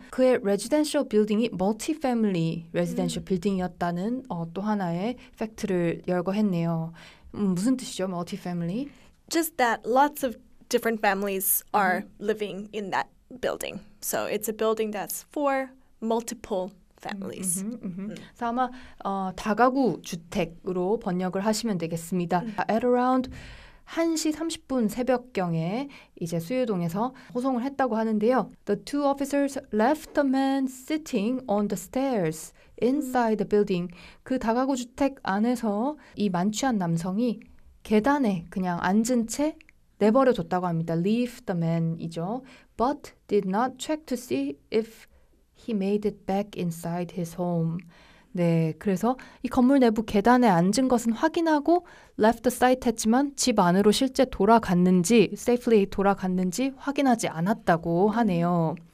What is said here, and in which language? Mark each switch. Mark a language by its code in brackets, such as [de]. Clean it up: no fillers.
[ko] 그의 residential building이 multi-family residential building이었다는 또 하나의 팩트를 열거했네요. 무슨 뜻이죠, multi-family? [en] Just that lots of different families are living in that building. So it's a building that's for multiple families. [ko] So 아마 다가구 주택으로 번역을 하시면 되겠습니다. [en] At around [ko] 1시 30분 새벽경에 이제 수유동에서 호송을 했다고 하는데요. [en] The two officers left the man sitting on the stairs inside the building. [ko] 그 다가구 주택 안에서 이 만취한 남성이 계단에 그냥 앉은 채 내버려 뒀다고 합니다. [en] Leave the man이죠. But did not check to see if he made it back inside his home. [ko] 네, 그래서 이 건물 내부 계단에 앉은 것은 확인하고 [en] left the site [ko] 했지만 집 안으로 실제 돌아갔는지 safely 돌아갔는지 확인하지 않았다고 하네요.